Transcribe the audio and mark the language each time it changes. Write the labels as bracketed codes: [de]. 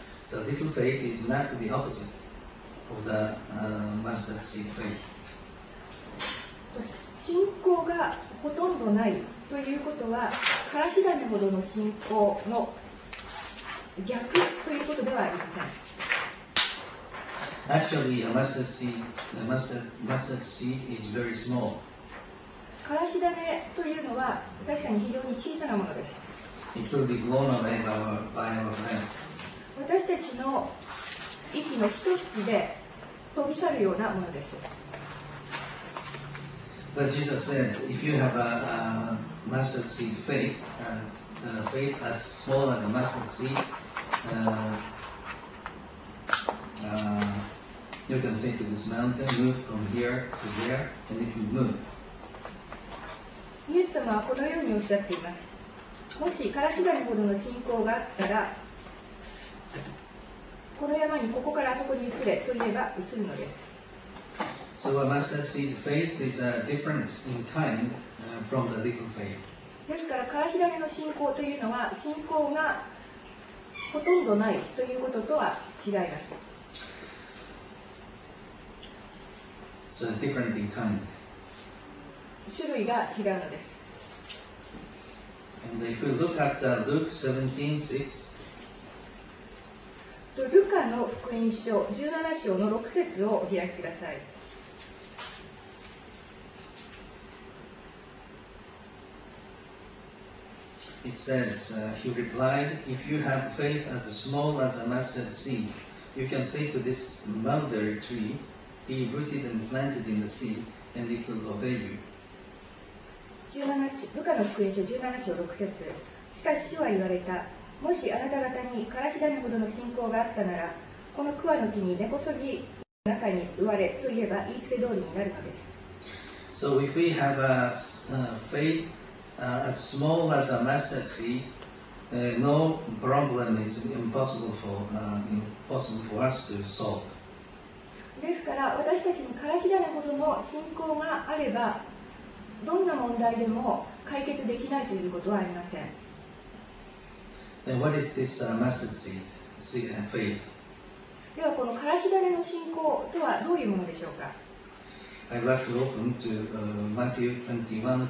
[en] The little faith is not the opposite of the mustard seed faith. [ja] 信仰がほとんどないということは、からし種ほどの信仰の逆ということではありません。 [en] Actually, a mustard seed is very small. [ja] からし種というのは確かに非常に小さなものです。 [en] It will be blown away by our wind. [ja] 私たちの息の一つで飛び去るようなものです。 [en] But Jesus said, if you have a mustard seed faith, faith as small as a mustard seed, you can say to this mountain, move from here to there, and it will move. [ja] イエス様はこのようにおっしゃっています。もしからし種ほどの信仰があったら、この山にここからあそこに移れと言えば移るのです。 [en] So a mustard seed faith is different in kind from the little faith. [ja] ですから、からし種の信仰というのは信仰がほとんどないということとは違います。 [en] So different in kind. [ja] 種類が違うのです。 [en] And if we look at Luke 17:6. [ja] ルカの福音書17章の6節をお開きください。 [en] It says, he replied, If you have faith as small as a mustard seed, you can say to this mulberry tree, Be rooted and planted in the sea, and it will obey you. [ja] ルカの福音書17章6節。しかし主は言われた。もしあなた方にからし種ほどの信仰があったなら、この桑の木に根こそぎ中に植われといえば言いつけ通りになるのです。 [en] So if we have a faith as small as a mustard seed, no problem is impossible for us to solve. [ja] ですから私たちにからし種ほどの信仰があれば、どんな問題でも解決できないということはありません。 [en] Then what is this mustard seed, seed and faith? [ja] ではこのからし種の信仰とはどういうものでしょうか。 [en] I'd like to open to Matthew 21:21.